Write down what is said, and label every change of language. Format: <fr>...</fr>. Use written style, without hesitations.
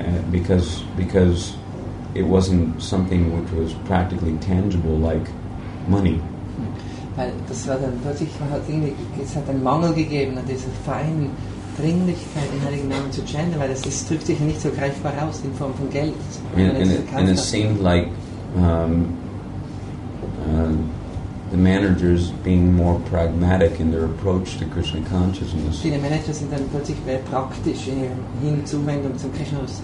<en>because it wasn't something which was practically tangible like money.</en> <de>Weil das war dann plötzlich, es hat einen Mangel gegeben an dieser feinen Dringlichkeit, den heiligen Namen zu chanten, weil das drückt sich nicht so greifbar aus in Form von Geld.</de> <en>And it seemed like the managers being more pragmatic in their approach to Krishna consciousness.</en> <de>Die Manager sind dann plötzlich mehr praktisch in ihrer Hinzuwendung zum Krishna.</de>